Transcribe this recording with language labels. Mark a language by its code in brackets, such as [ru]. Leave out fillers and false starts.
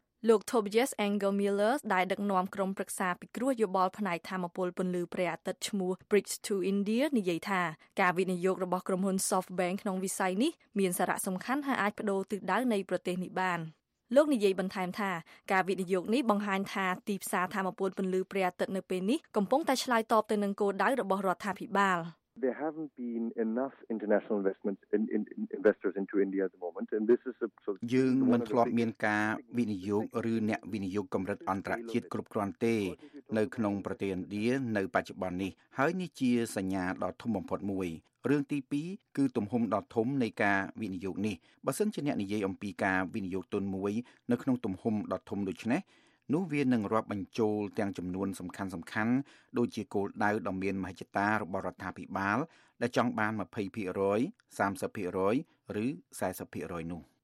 [km] លោក Tobias Engelmiller ដែលដឹកនាំក្រុមប្រឹក្សាពិគ្រោះយោបល់ផ្នែកថាមពលពន្លឺព្រះអាទិត្យឈ្មោះ Bridge to India និយាយថាការវិនិយោគរបស់ក្រុមហ៊ុន SoftBank ក្នុងវិស័យនេះមានសារៈសំខាន់ហើយអាចប្ដូរទិសដៅនៃប្រទេសនេះបានលោកនិយាយបន្ថែមថាការវិនិយោគនេះបង្ហាញថាទីផ្សារថាមពលពន្លឺព្រះអាទិត្យនៅពេលនេះកំពុងតែឆ្លើយតបទៅនឹងគោលដៅរបស់រដ្ឋាភិបាល [en] There haven't been enough international investments in investors into India at the moment and this is a so [km] យើងមិនធ្លាប់មានការវិនិយោគឬអ្នកវិនិយោគកម្រិតអន្តរជាតិគ្រប់គ្រាន់ទេនៅក្នុងប្រទេសឥណ្ឌានៅបច្ចុប្បន្ននេះហើយនេះជាសញ្ញាដ៏ធំបំផុតមួយរឿងទី2គឺទំហំដ៏ធំនៃការវិនិយោគនេះបើសិនជាអ្នកនិយាយអំពីការវិនិយោគទុនមួយនៅក្នុងទំហំដ៏ធំដូច្នេះនោះវានឹងរាប់បញ្ចូលទាំងចំនួនសំខាន់ៗដូចជាគោលដៅដ៏មានមហិច្ឆតារបស់រដ្ឋាភិបាលដែលចង់បាន 20% 30% ឬ 40% នោះ